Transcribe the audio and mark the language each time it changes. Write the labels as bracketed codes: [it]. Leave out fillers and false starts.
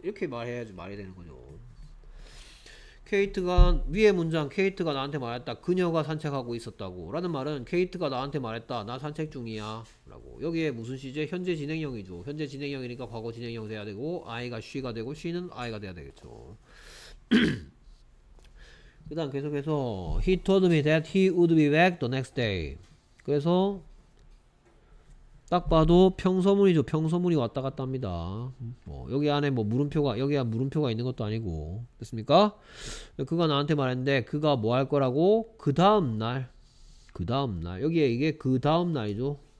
[ko] 이렇게 말해야지 말이 되는 거죠. 케이트가 위에 문장 케이트가 나한테 말했다 그녀가 산책하고 있었다고 라는 말은 케이트가 나한테 말했다 나 산책 중이야 라고 여기에 무슨 시제 현재 진행형이죠 현재 진행형이니까 과거 진행형 돼야 되고 I가 she가 되고 she는 I가 돼야 되겠죠. 그 다음 계속해서 [en] he told me that he would be back the next day. [ko] 그래서 딱 봐도 평서문이죠 평서문이 왔다 갔다 합니다. 뭐 여기 안에 뭐 물음표가 여기 안 물음표가 있는 것도 아니고 됐습니까? 그가 나한테 말했는데 그가 뭐 할 거라고 그 다음 날 그 다음 날 여기에 이게 그 다음 날이죠.